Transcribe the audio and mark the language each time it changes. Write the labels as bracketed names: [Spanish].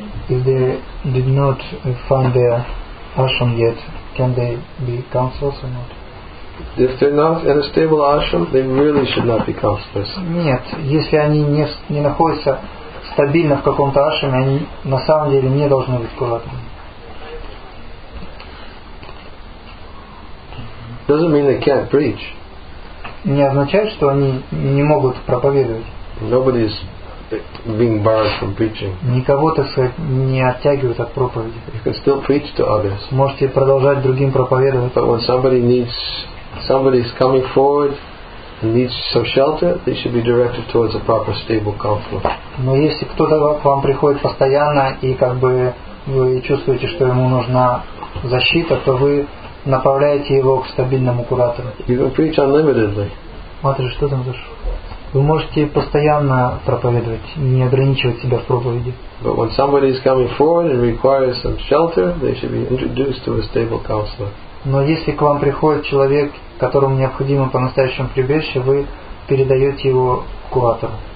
[English] If they did not find their ashram yet, can they be counselors or not? If they're not in a stable ashram, they really should not be counselors. [Russian] Нет, если они не находятся стабильно в каком-то ашраме, они на самом деле не должны быть кураторами. [English] Doesn't mean they can't preach. [Russian] Не означает, что они не могут проповедовать. [English] Nobody is being barred from preaching. [Russian] Никого, так сказать, не оттягивают от проповеди. [English] You can still preach to others. [Russian] Можете продолжать другим проповедовать. [English] But when somebody is coming forward and needs some shelter, they should be directed towards a proper stable counselor. [Russian] Но если кто-то к вам приходит постоянно и как бы вы чувствуете, что ему нужна защита, то вы направляете его к стабильному куратору. [English] You can preach unlimitedly. [Russian] Матри, что там зашло? Вы можете постоянно проповедовать, не ограничивать себя в проповеди. [English] But when somebody is coming forward and requires some shelter, they should be introduced to a stable counselor. [Russian] Но если к вам приходит человек, которому необходимо по-настоящему прибежище, вы передаете его куратору.